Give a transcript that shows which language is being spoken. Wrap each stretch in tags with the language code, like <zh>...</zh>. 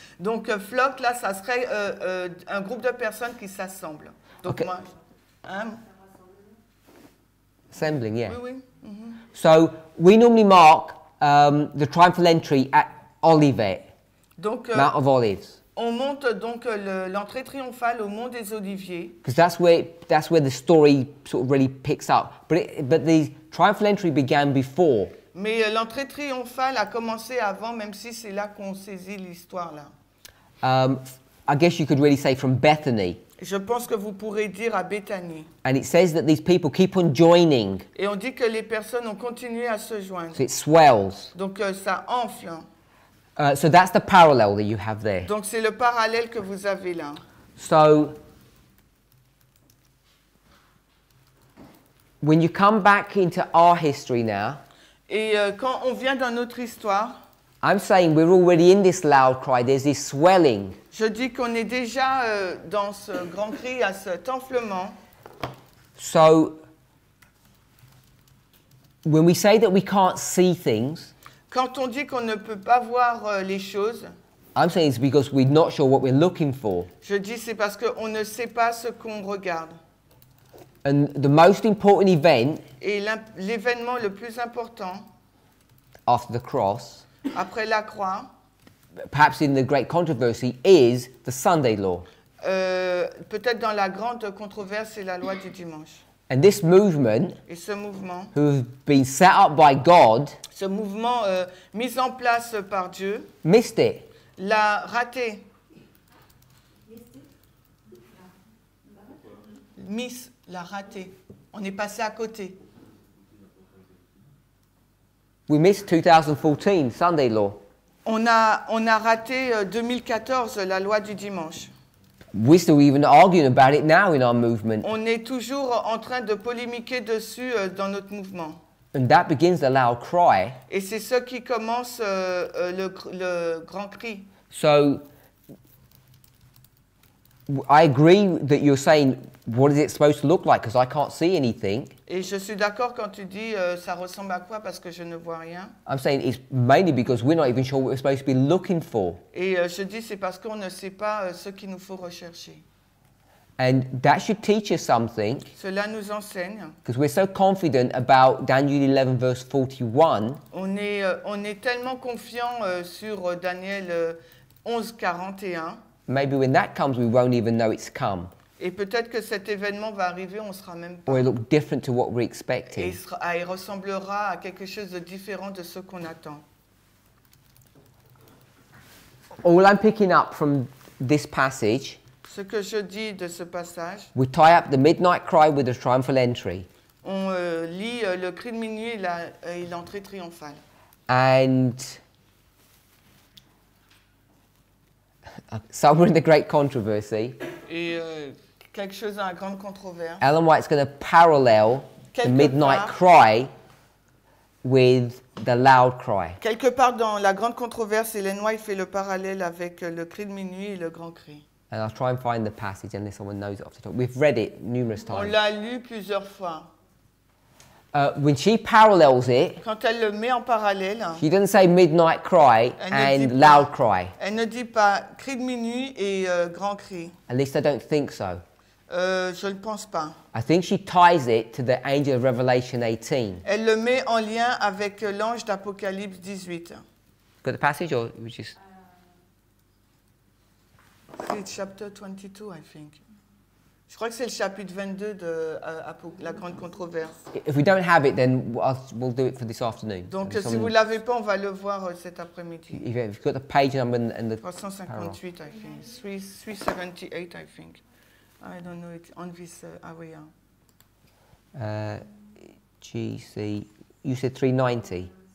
<fr>Donc flock, là, ça serait un groupe de personnes qui s'assemblent. Donc okay.</fr> <en>Assembling, yeah.</en> <fr>Oui, oui.</fr> <en>Mm-hmm. So we normally mark the triumphal entry at... Olivet,</en> <fr>donc,</fr> <en>Mount of Olives.</en> <fr>On monte donc l'entrée triomphale au Mont des Oliviers.</fr> <en>Because that's where the story sort of really picks up. But the triumphal entry began before.</en> <fr>Mais l'entrée triomphale a commencé avant, même si c'est là qu'on saisit l'histoire là.</fr> <en>I guess you could really say from Bethany.</en> <fr>Je pense que vous pourrez dire à Bethany.</fr> <en>And it says that these people keep on joining.</en> <fr>Et on dit que les personnes ont continué à se joindre.</fr> <en>So it swells.</en> <fr>Donc ça enfle.</fr> <en>So that's the parallel that you have there.</en> <fr>Donc c'est le parallèle que vous avez là.</fr> <en>So when you come back into our history now,</en> <fr>et quand on vient dans notre histoire,</fr> <en>I'm saying we're already in this loud cry. There's this swelling.</en> <fr>Je dis qu'on est déjà dans ce grand cri, à cet enflement.</fr> <en>So when we say that we can't see things.</en> <fr>Quand on dit qu'on ne peut pas voir les choses,</fr> <en>I'm saying it's because we're not sure what we're looking for.</en> <fr>Je dis c'est parce qu'on ne sait pas ce qu'on regarde.</fr> <en>And the most important event,</en> <fr>et l'événement le plus important,</fr> <en>after the cross,</en> <fr>après la croix,</fr> <en>perhaps in the great controversy, is the Sunday law.</en> <fr>Peut-être dans la grande controverse, c'est la loi du dimanche.</fr> <en>And this movement,</en> <fr>et ce mouvement,</fr> <en>who have been set up by God,</en> <fr>ce mouvement mis en place par Dieu,</fr> <en>missed it.</en> <fr>L'a raté. Miss l'a raté. On est passé à côté.</fr> <en>We missed 2014 Sunday law.</en> <fr>On a raté 2014 la loi du dimanche.</fr> <en>We're still even arguing about it now in our movement.</en> <fr>On est toujours en train de polémiquer dessus dans notre mouvement.</fr> <en>And that begins the loud cry.</en> <fr>Et c'est ce qui commence le grand cri.</fr> <en>So, I agree that you're saying, what is it supposed to look like? Because I can't see anything.</en> <fr>Et je suis d'accord quand tu dis, ça ressemble à quoi? Parce que je ne vois rien.</fr> <en>I'm saying it's mainly because we're not even sure what we're supposed to be looking for.</en> <fr>Et je dis, c'est parce qu'on ne sait pas ce qu'il nous faut rechercher.</fr> <en>And that should teach us something.</en> <fr>Cela nous enseigne.</fr> <en>Because we're so confident about Daniel 11, verse 41.</en> <fr>On est tellement confiant sur Daniel 11, 41.</fr> <en>Maybe when that comes, we won't even know it's come.</en> <fr>Et peut-être que cet événement va arriver, on ne sera même pas.</fr> <en>Or it look different to what we're expecting.</en> <fr>Et il ressemblera à quelque chose de différent de ce qu'on attend.</fr> <en>All I'm picking up from this passage.</en> <fr>Ce que je dis de ce passage.</fr> <en>We tie up the midnight cry with the triumphal entry.</en> <fr>On lit le cri de minuit et l'entrée triomphale.</fr> <en>And Somewhere in the great controversy.</en> <fr>Et quelque chose dans la grande controverse.</fr> <en>Ellen White's going to parallel</en> <fr>quelque</fr> <en>the midnight cry with the loud cry.</en> <fr>Quelque part dans la grande controverse, Ellen White fait le parallèle avec le cri de minuit et le grand cri.</fr> <en>And I'll try and find the passage unless someone knows it off the top. We've read it numerous times.</en> <fr>On l'a lu plusieurs fois.</fr> <en>When she parallels it,</en> <fr>quand elle le met en parallèle,</fr> <en>she doesn't say midnight cry and loud</en> <fr>pas,</fr> <en>cry.</en> <fr>Elle ne dit pas cri de minuit et grand cri.</fr> <en>At least I don't think so.</en> <fr>Je ne pense pas.</fr> <en>I think she ties it to the angel of Revelation 18.</en> <fr>Elle le met en lien avec l'ange d'Apocalypse 18.</fr> <en>Got the passage or we just... It's chapter 22, I think.</en> <fr>Je crois que c'est le chapitre 22 de la grande controverse.</fr> <en>If we don't have it, then we'll do it for this afternoon.</en> <fr>Donc, si vous l'avez pas, on va le voir cet après-midi.</fr> <en>If you've got the page number and the 358, I think. 378, I think. I don't know. It's on this area. GC, you said 390.</en>